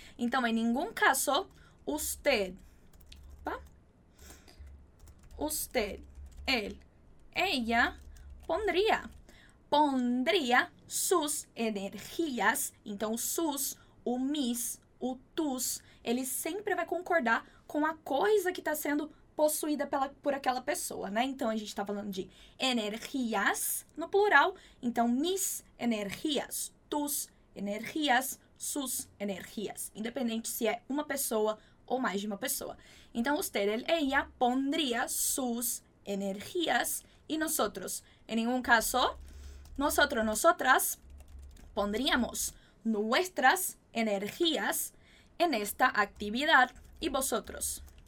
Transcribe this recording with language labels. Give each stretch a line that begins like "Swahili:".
Portuguese: Então, em nenhum caso,
Spanish: usted, él, ella, pondría sus energías.
Portuguese: Então, sus, o mis, o tus, ele sempre vai concordar com a coisa que está sendo possuída por aquela pessoa, né? Então, a gente está falando de energías no plural.
Spanish: Então, mis energías, tus energías, sus energías.
Portuguese: Independente se é uma pessoa ou mais de uma pessoa.
Spanish: Então, usted, él, ella, pondría sus energías y nosotros. En ningún caso, nosotros, nosotras, pondríamos nuestras energías en esta actividad y vosotros.